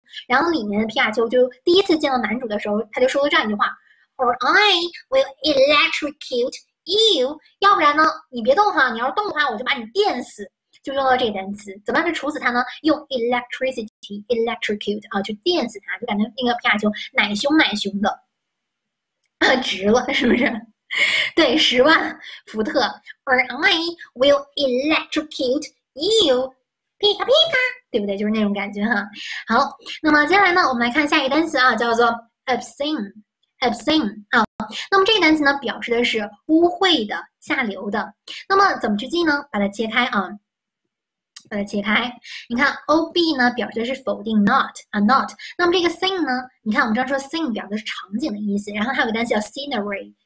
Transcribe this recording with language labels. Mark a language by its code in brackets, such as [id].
[zh] 然后里面的皮卡丘就第一次见到男主的时候，他就说了这样一句话： [en] “Or I will electrocute you， [zh] 要不然呢，你别动哈，你要是动的话，我就把你电死。 ”就用了这个单词，怎么样去处死他呢？用 electricity，electrocute 啊，去电死他，就感觉那个皮卡丘奶凶奶凶的，值了，是不是？对，10万伏特。 [en] Or I will electrocute you，皮卡皮卡。 [zh] 对不对？就是那种感觉哈。好，那么接下来呢，我们来看下一个单词啊，叫做 obscene 啊。那么这个单词呢，表示的是污秽的、下流的。那么怎么去记呢？把它切开啊，把它切开。你看 ob 呢，表示的是否定 not。那么这个 scene 呢，你看我们刚说 scene 表的是场景的意思，然后还有个单词叫 scenery。